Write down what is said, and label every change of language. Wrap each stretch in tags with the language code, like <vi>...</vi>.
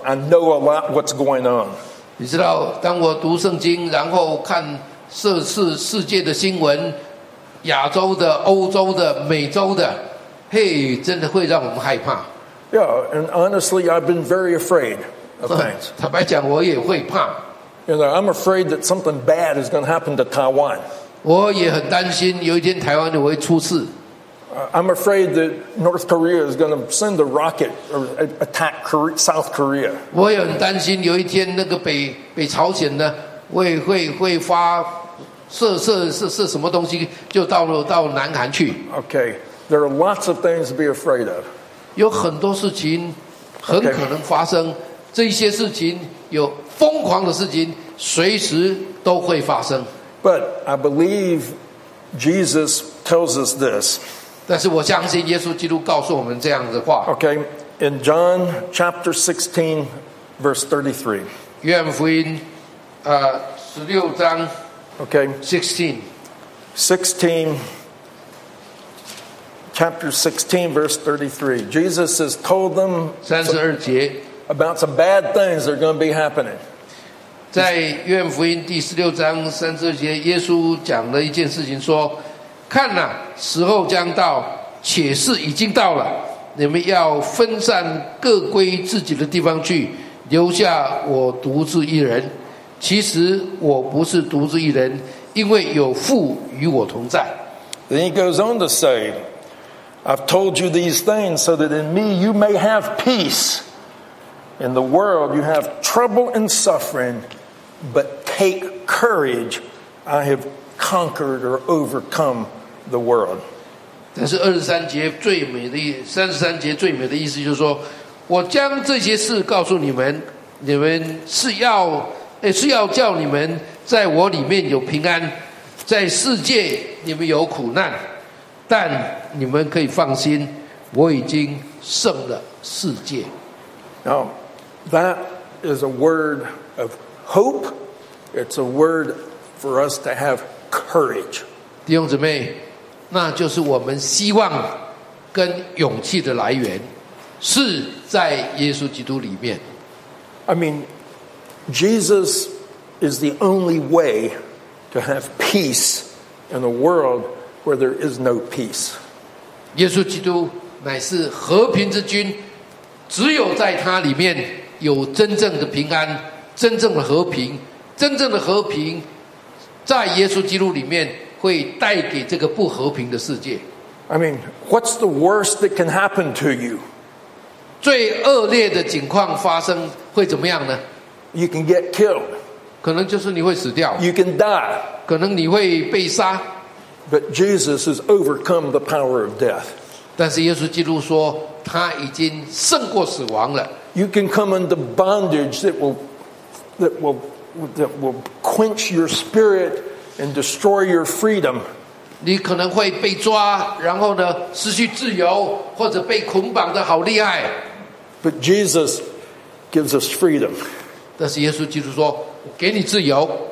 <en>I know a lot what's going on.</en> <zh>你知道，当我读圣经，然后看世界的新闻，亚洲的、欧洲的、美洲的，嘿，真的会让我们害怕。</zh> <en>Yeah, and honestly, I've been very afraid of things.</en> <zh>坦白讲，我也会怕。</zh> <en>You know, I'm afraid that something bad is going to happen to Taiwan.</en> <zh>我也很担心有一天台湾就会出事。</zh> <en>I'm afraid that North Korea is going to send a rocket or attack South Korea.</en> <zh>我也很担心有一天那个北朝鲜呢，会发射什么东西就到南韩去。</zh> <en>Okay, there are lots of things to be afraid of.</en> <zh>有很多事情很可能发生、okay. 这些事情有疯狂的事情随时都会发生。</zh> <en>But I believe Jesus tells us this.</en> <zh>但是我相信耶稣基督告诉我们这样的话。</zh> <en>Okay, in John chapter 16 verse 33.</en> <zh>约翰福音16章</zh> <en>Okay. 16. Chapter 16, verse 33. Jesus has told them</en> <zh>32节</zh> <en>about some bad things that are going to be happening.</en> <zh>在约翰福音第十六章三十二节，耶稣讲了一件事情，说：“看哪、啊，时候将到，且是已经到了。你们要分散，各归自己的地方去，留下我独自一人。其实我不是独自一人，因为有父与我同在。”</zh> <en>Then he goes on to say. I've told you these things so that in me you may have peace. In the world you have trouble and suffering, but take courage. I have conquered or overcome the world.</en> <zh>但是三十三节最美的意思就是说，我将这些事告诉你们，你们是要叫你们在我里面有平安，在世界你们有苦难。但你们可以放心，我已经胜了世界。</zh> <en>Now, that is a word of hope. It's a word for us to have courage.</en> <zh>弟兄姊妹，那就是我们希望跟勇气的来源，是在耶稣基督里面。</zh> <en>I mean, Jesus is the only way to have peace in the world. Where there is no peace.</en> <zh>耶稣基督乃是和平之君，只有在他里面有真正的平安，真正的和平，真正的和平在耶稣基督里面会带给这个不和平的世界。</zh> <en>I mean, what's the worst that can happen to you?</en> <zh>最恶劣的情况发生会怎么样呢？</zh> <en>You can get killed.</en> <zh>可能就是你会死掉。</zh> <en>You can die.</en> <zh>可能你会被杀。</zh> <en>But Jesus has overcome the power of death.</en> <zh>但是耶稣基督说他已经胜过死亡了。</zh> <en>You can come under bondage that will quench your spirit and destroy your freedom.</en> <zh>你可能会被抓，然后呢，失去自由，或者被捆绑的好厉害。</zh> <en>But Jesus gives us freedom.</en> <zh>但是耶稣基督说，我给你自由。</zh>